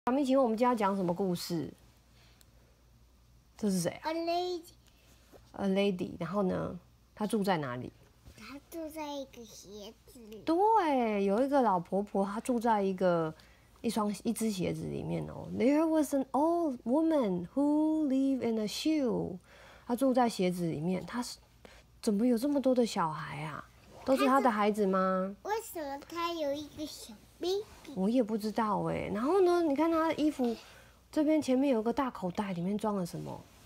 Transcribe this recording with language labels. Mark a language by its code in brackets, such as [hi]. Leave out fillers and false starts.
[zh] 小明，请问我们今天要讲什么故事？这是谁啊 [en] ？A lady。 A lady， [zh] 然后呢？她住在哪里？她住在一个鞋子里。对，有一个老婆婆，她住在一只鞋子里面哦。 [en] There was an old woman who lived in a shoe。 [zh] 她住在鞋子里面。她怎么有这么多的小孩啊？都是她的孩子吗？为什么她有一个小 baby？我也不知道哎。然后呢？你看她的衣服，这边前面有个大口袋，里面装了什么？